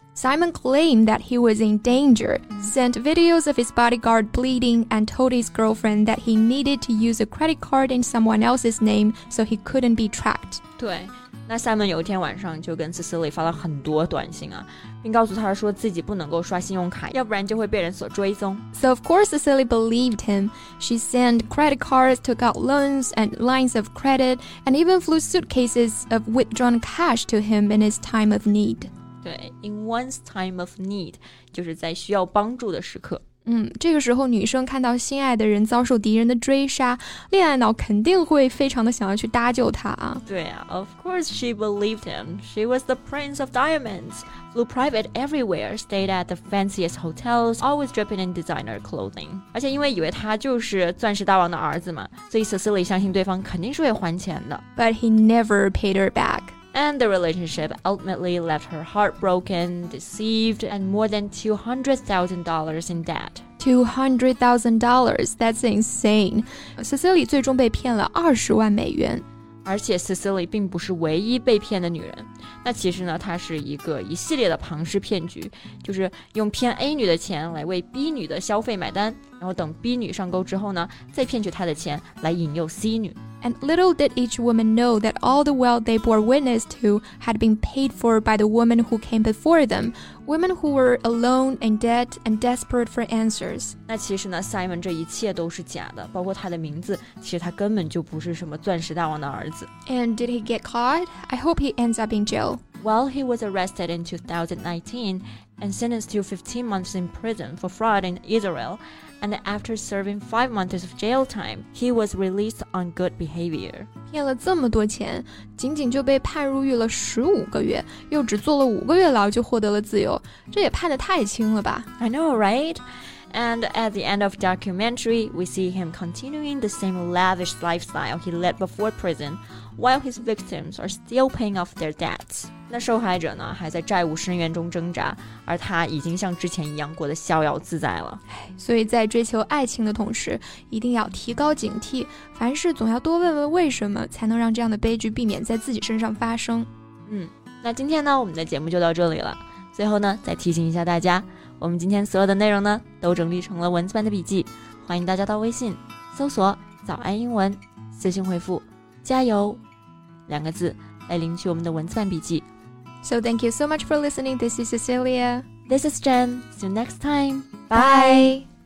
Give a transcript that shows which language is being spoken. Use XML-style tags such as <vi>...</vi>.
<en>Simon claimed that he was in danger, sent videos of his bodyguard bleeding, and told his girlfriend that he needed to use a credit card in someone else's name so he couldn't be tracked.</en> <zh>对，那 Simon 有一天晚上就跟 Cecily 发了很多短信啊，并告诉他说自己不能够刷信用卡，要不然就会被人所追踪。</zh> <en>So of course Cecily believed him. She sent credit cards, took out loans and lines of credit, and even flew suitcases of withdrawn cash to him in his time of need.</en> <zh>对</zh> <en>in one's time of need</en> <zh>就是在需要帮助的时刻这个时候女生看到心爱的人遭受敌人的追杀恋爱脑肯定会非常的想要去搭救他啊</zh> <en>对啊 of course she believed him she was the prince of diamonds flew private everywhere stayed at the fanciest hotels always dripping in designer clothing</en> <zh>而且因为以为他就是钻石大王的儿子嘛所以 Cecily 相信对方肯定是会还钱的</zh> <en>but he never paid her back And the relationship ultimately left her heartbroken, deceived, and more than $200,000 in debt. $200,000, that's insane.</en> <zh>Cecily 最终被骗了$200,000。而且 Cecily 并不是唯一被骗的女人。那其实呢，她是一个一系列的庞氏骗局，就是用骗 A 女的钱来为 B 女的消费买单，然后等 B 女上钩之后呢，再骗取她的钱来引诱 C 女。</zh> <en>And little did each woman know that all the wealth they bore witness to had been paid for by the woman who came before them, women who were alone in debt and desperate for answers.</en> <zh>那其实呢 ,Simon 这一切都是假的,包括他的名字,其实他根本就不是什么钻石大王的儿子。</zh> <en>And did he get caught? I hope he ends up in jail. Well, he was arrested in 2019 and sentenced to 15 months in prison for fraud in Israel. And after serving 5 months of jail time, he was released on good behavior.</en> <zh>骗了这么多钱，仅仅就被判入狱了15个月，又只坐了5个月牢就获得了自由，这也判得太轻了吧</zh> <en>？I know, right? And at the end of the documentary, we see him continuing the same lavish lifestyle he led before prison, while his victims are still paying off their debts.</en> <zh>那受害者呢还在债务深渊中挣扎而他已经像之前一样过得逍遥自在了所以在追求爱情的同时一定要提高警惕凡事总要多问问为什么才能让这样的悲剧避免在自己身上发生那今天呢我们的节目就到这里了最后呢再提醒一下大家我们今天所有的内容呢都整理成了文字版的笔记欢迎大家到微信搜索早安英文私信回复加油两个字来领取我们的文字版笔记</zh> <en>So thank you so much for listening. This is Cecilia. This is Jen. See you next time. Bye.</en>